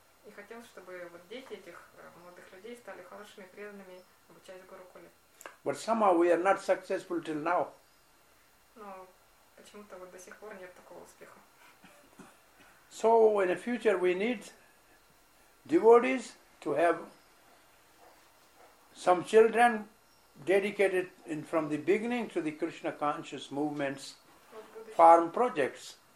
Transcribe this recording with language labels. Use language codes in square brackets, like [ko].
[ru] И хотел, чтобы вот дети этих молодых людей стали хорошими преданными, обучаясь в Гурукуле. [en] But somehow we are not successful till now. [ru] Но почему-то вот до сих пор нет такого успеха. [en] So in the future we need devotees to have some children dedicated in from the beginning to the Krishna conscious movements, farm projects.